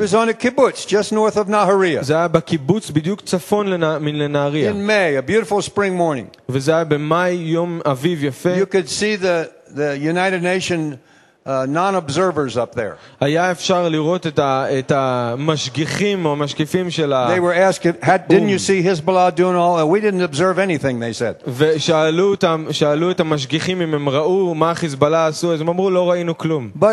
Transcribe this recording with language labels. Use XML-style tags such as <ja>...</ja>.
<en>It was on a kibbutz just north of Nahariya.</en> <he>זה היה בקיבוץ בדיוק צפון לנהריה.</he> <en>In May, a beautiful spring morning.</en> <he>וזה היה במאי יום אביב יפה.</he> <en>You could see the United Nations non-observers up there.</en> <he>היה אפשר לראות את המשגיחים או המשקיפים של</he> <en>They were asked, didn't you see Hezbollah doing all that? We didn't observe anything, they said.</en> <he>ושאלו את המשגיחים אם הם ראו מה חיזבאללה עשו, אז הם אמרו, לא ראינו כלום.</he>